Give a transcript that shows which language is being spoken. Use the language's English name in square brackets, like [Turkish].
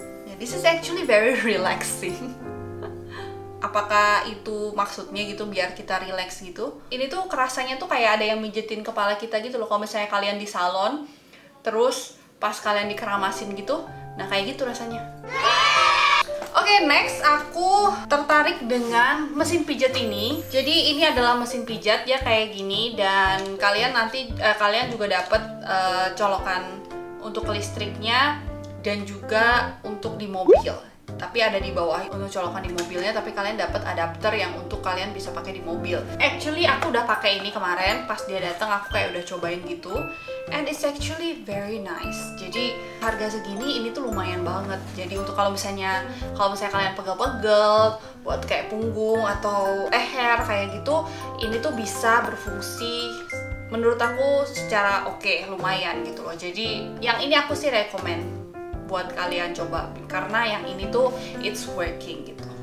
[English] Yeah, this is actually very relaxing. [Indonesian] Apakah itu maksudnya gitu biar kita relax gitu? Ini tuh kerasanya tuh kayak ada yang mijitin kepala kita gitu loh. Kalau misalnya kalian di salon, terus pas kalian dikeramasin gitu, nah kayak gitu rasanya. Oke, okay, next aku tertarik dengan mesin pijat ini. Jadi ini adalah mesin pijat ya kayak gini, dan kalian nanti kalian juga dapat colokan untuk listriknya dan juga untuk di mobil. Tapi ada di bawah untuk colokan di mobilnya, tapi kalian dapat adapter yang untuk kalian bisa pakai di mobil. Actually aku udah pakai ini kemarin pas dia datang, aku kayak udah cobain gitu. [English] And it's actually very nice. [Indonesian] Jadi harga segini ini tuh lumayan banget. Jadi untuk kalau misalnya kalian pegel-pegel buat kayak punggung atau leher kayak gitu, ini tuh bisa berfungsi menurut aku secara oke, lumayan gitu loh. Jadi yang ini aku sih rekomend buat kalian coba, karena yang ini tuh [English] it's working [Indonesian] gitu.